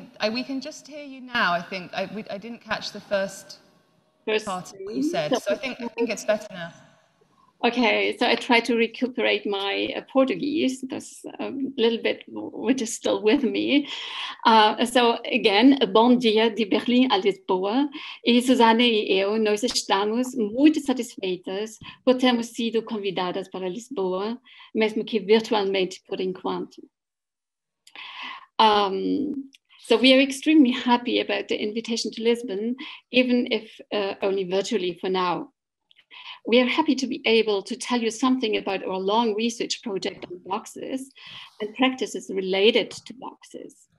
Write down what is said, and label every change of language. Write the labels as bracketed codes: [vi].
[en] We can just hear you now, I think. I didn't catch the first part of what you said, so I think it's better now. Okay, so I try to recuperate my Portuguese. That's a little bit, which is still with me. So again, [pt] bom dia de Berlim a Lisboa. E Suzane e eu, nós estamos muito satisfeitas por termos sido convidadas para Lisboa, mesmo que virtualmente por enquanto. [en] So we are extremely happy about the invitation to Lisbon, even if only virtually for now. We are happy to be able to tell you something about our long research project on boxes and practices related to boxes.